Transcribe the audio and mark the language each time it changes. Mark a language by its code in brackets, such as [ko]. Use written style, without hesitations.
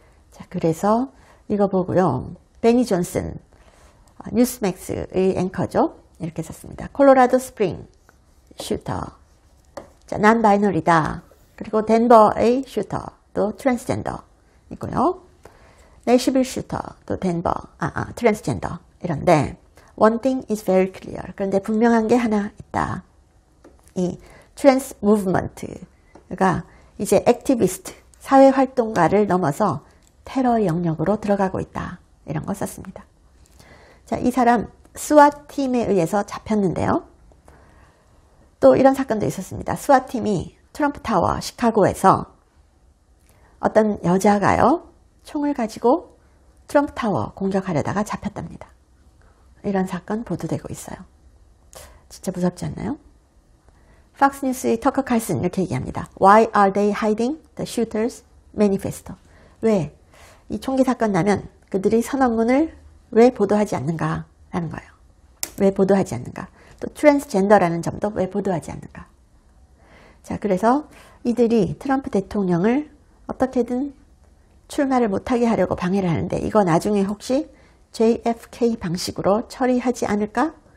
[ko] 자, 그래서 이거 보고요. 베니 존슨, 뉴스맥스의 앵커죠. 이렇게 썼습니다. 콜로라도 스프링 슈터. 자, 난 바이너리다. 그리고 덴버의 슈터도 트랜스젠더이고요. 내시빌 슈터도 덴버, 트랜스젠더. [en] 이런데, one thing is very clear. [ko] 그런데 분명한 게 하나 있다. 이 트랜스 무브먼트가 이제 액티비스트, 사회 활동가를 넘어서 테러의 영역으로 들어가고 있다. 이런 거 썼습니다. 자, 이 사람, SWAT팀에 의해서 잡혔는데요. 또 이런 사건도 있었습니다. SWAT팀이 트럼프 타워 시카고에서 어떤 여자가요, 총을 가지고 트럼프 타워 공격하려다가 잡혔답니다. 이런 사건 보도되고 있어요. 진짜 무섭지 않나요? 팍스뉴스의 터커 칼슨 이렇게 얘기합니다. [en] Why are they hiding the shooter's manifesto? [ko] 왜이 총기 사건 나면 그들이 선언문을 왜 보도하지 않는가? 라는 거예요. 왜 보도하지 않는가? 또 트랜스젠더라는 점도 왜 보도하지 않는가? 자, 그래서 이들이 트럼프 대통령을 어떻게든 출마를 못하게 하려고 방해를 하는데 이거 나중에 혹시 JFK 방식으로 처리하지 않을까?